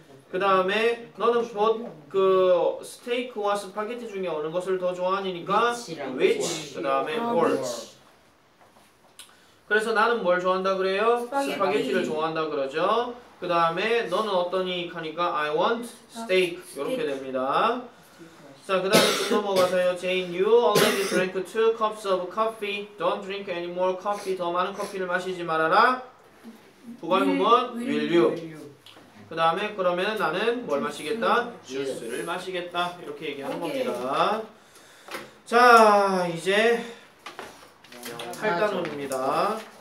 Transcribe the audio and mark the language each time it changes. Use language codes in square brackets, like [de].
[ko] 그 다음에 너는 그 스테이크와 스파게티 중에 어느 것을 더 좋아하니까 which 그 다음에 or 그래서 나는 뭘 좋아한다 그래요? 스파게티를 좋아한다 그러죠. 그 다음에 너는 어떠니 하니까 [en] I want steak [ko] 이렇게 됩니다. 자, 그 다음에 좀 넘어가서요. [en] Jane, you already drank two cups of coffee. Don't drink any more coffee. [ko] 더 많은 커피를 마시지 말아라. [en] 부관문 will you? [ko] 그 다음에 그러면 나는 뭘 마시겠다? 주스를 마시겠다 이렇게 얘기하는 오케이. 겁니다. 자, 이제 8단원입니다.